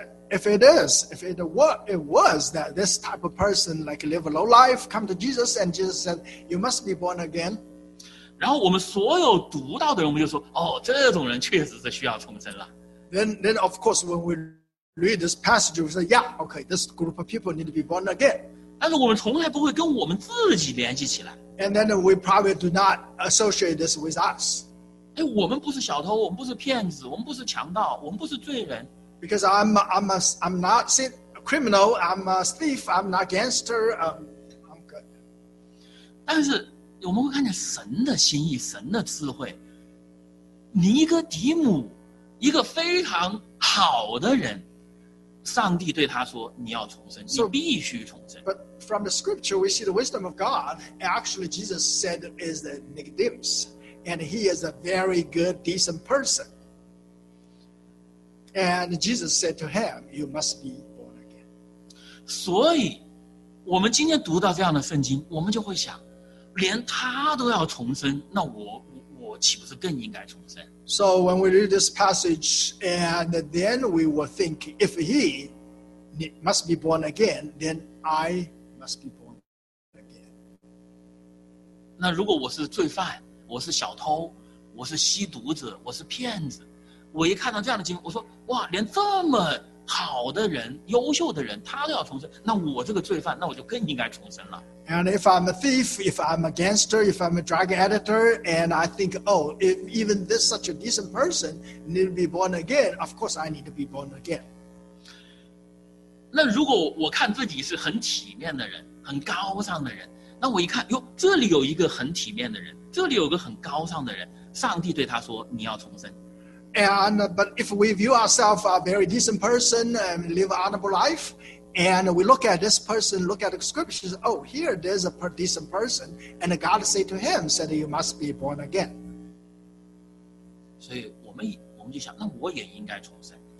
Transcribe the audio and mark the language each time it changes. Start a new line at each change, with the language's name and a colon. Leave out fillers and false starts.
English: ，if it was that this type of person like live a low life, come to Jesus and Jesus said you must be born again.
Chinese: 然后我们所有读到的人，我们就说：“哦，这种人确实是需要重生了。”
English: Then of course when we read this passage, we say, yeah, okay, this group of people need to be born again.
Chinese: 但是我们从来不会跟我们自己联系起来。
English: And then we probably do not associate this with us.
Chinese: 哎，我们不是小偷，我们不是骗子，我们不是强盗，我们不是罪人。
English: Because I'm not a criminal, I'm a thief, I'm not a gangster, I'm good.
Chinese: 但是我们会看见神的心意，神的智慧。尼哥底母，一个非常好的人。上帝对他说：“你要重生，你必须重生。”
English: But from the scripture, we see the wisdom of God. Actually, Jesus said is the Nicodemus, and he is a very good, decent person. And Jesus said to him, "You must be born again."
Chinese: 所以，我们今天读到这样的圣经，我们就会想，连他都要重生，那我岂不是更应该重生？
English: So when we read this passage, and then we will think, if he must be born again, then I must be born again.
Chinese: 那如果我是罪犯，我是小偷，我是吸毒者，我是骗子，我一看到这样的经历，我说哇，连这么好的人，优秀的人，他都要重生，那我这个罪犯，那我就更应该重生了。
English: And if I'm a thief, if I'm a gangster, if I'm a drug editor, and I think, oh, if even this such a decent person need to be born again, of course I need to be born again.
Chinese: 那如果我看自己是很体面的人，很高尚的人，那我一看，哟，这里有一个很体面的人，这里有个很高尚的人，上帝对他说，你要重生。
English: But if we view ourselves a very decent person and live an honorable life,And we look at this person, look at the scriptures. Oh, here there's a decent person, and God said to him, "said you must be born again." So we just think, "Then I also should be born again."